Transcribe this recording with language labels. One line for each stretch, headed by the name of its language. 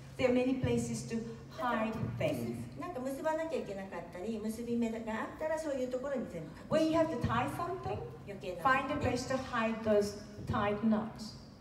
English: There are many places to hide things.
Japanese: なんか結ばなきゃいけなかったり、結び目があったらそういうところに全部隠して。
English: When you have to tie something, find a place to hide those tied knots.